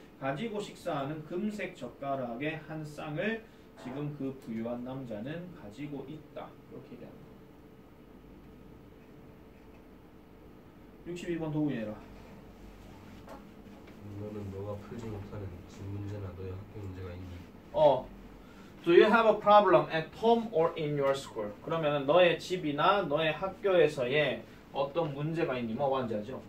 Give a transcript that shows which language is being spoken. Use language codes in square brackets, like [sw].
[ko] 가지고 식사하는 금색 젓가락의 한 쌍을 지금 그 부유한 남자는 가지고 있다. 이렇게 얘기합니다. 62번 도우예라. 이거는 너가 풀지 못하는 집 문제나 너의 학교 문제가 있니? [en] Do you have a problem at home or in your school? [ko] 그러면 너의 집이나 너의 학교에서의 어떤 문제가 있니? 뭐 완전하죠?